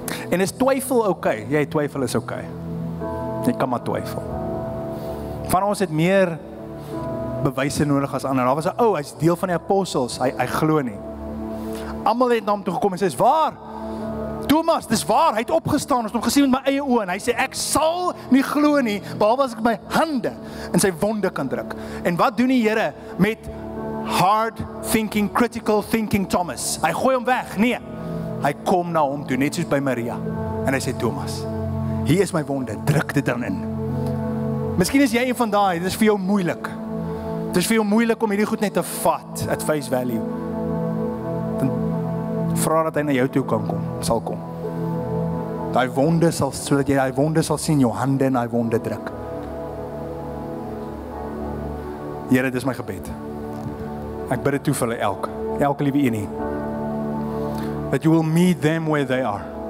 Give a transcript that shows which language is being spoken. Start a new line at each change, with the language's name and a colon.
Afrikaans: En is twyfel okay? Jy twyfel is okay. Jy kan maar twyfel. Van ons het meer bewyse nodig as ander. Daar was 'n ou, hy's deel van die apostels, hy glo nie. Almal het na hom toe gekom en sê, "Is waar? Thomas, dis waar, hy het opgestaan, ons het hom gesien met my eie oë." En hy sê, "Ek sal nie glo nie, behalwe as ek my hande in sy wonde kan druk." En wat doen die Here met
English: hard thinking, critical thinking
Afrikaans: Thomas? Hy gooi hom weg. Nee. Hy kom na hom toe, net soos by Maria. En hy sê, "Thomas, hier is my wonde, druk dit dan in." Miskien is jy een van daai, dit is vir jou moeilik. Dit is vir jou moeilik om hierdie goed net te vat,
English: at face value.
Afrikaans: Dan vra dat hy na jou toe kan kom, sal kom. Daai wonde sal, so dat jy daai wonde sal sien, jou hande in daai wonde druk. Here, dit is my gebed. Ek bid dit toe vir hulle elke liewe een hier.
English: That you will meet them where they are.